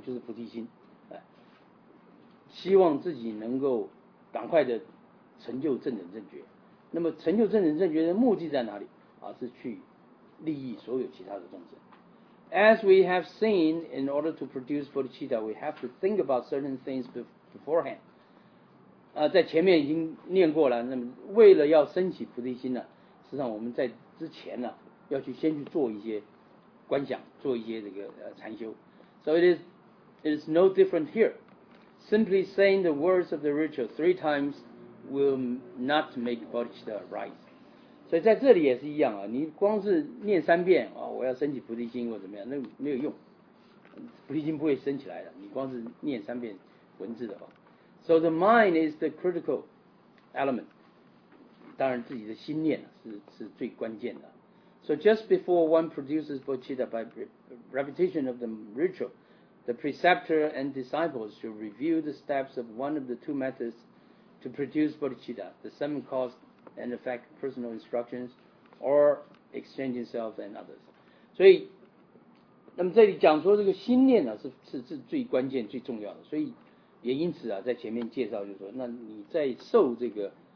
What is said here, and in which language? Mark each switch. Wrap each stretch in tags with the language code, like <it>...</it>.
<zh>就是菩提心，希望自己能够赶快的成就正等正觉。那么成就正等正觉的目的在哪里？是去利益所有其他的众生。</zh> <en>As we have seen, in order to produce bodhicitta, we have to think about certain things beforehand.</en> <zh>在前面已经念过了。那么为了要升起菩提心呢，实际上我们在之前呢，要去先去做一些观想，做一些这个禅修。</zh> <en>So it is no different here. Simply saying the words of the ritual three times will not make bodhicitta arise.</en> <zh>所以在这里也是一样啊，你光是念三遍啊、哦，我要升起菩提心或怎么样，那没有用，菩提心不会升起来的。你光是念三遍文字的话。</zh> <en>So the mind is the critical element.</en> <zh>当然自己的心念是最关键的。</zh> <en>So just before one produces bodhicitta by repetition of the ritual, the preceptor and disciples should review the steps of one of the two methods to produce bodhicitta, the seven cause and effect personal instructions, or exchanging self and others.</en> <zh>所以那么这里讲说这个心念、啊、是最关键最重要的，所以也因此、啊、在前面介绍就是说，那你在受这个</zh>